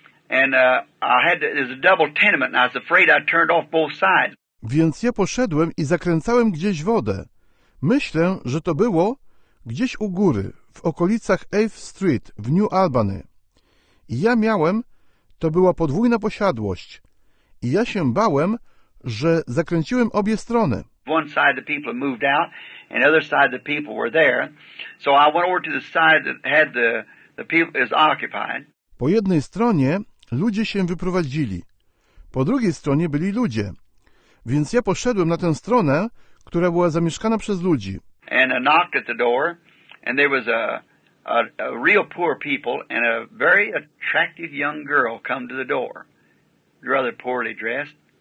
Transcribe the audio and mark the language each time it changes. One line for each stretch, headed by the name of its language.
English: And there's a double tenement, and I was afraid I turned off both sides.
Polish: Więc ja poszedłem i zakręcałem gdzieś wodę. Myślę, że to było gdzieś u góry, w okolicach 8th Street w New Albany. I ja miałem, to była podwójna posiadłość. I ja się bałem, że zakręciłem obie strony.
English: One side the people had moved out, and the other side the people were there. So I went over to the side that had the people is occupied.
Polish: Po jednej stronie ludzie się wyprowadzili. Po drugiej stronie byli ludzie. Więc ja poszedłem na tę stronę, która była zamieszkana przez ludzi.
English: And I knocked at the door, and there was a real poor people and a very attractive young girl come to the door, rather poorly dressed.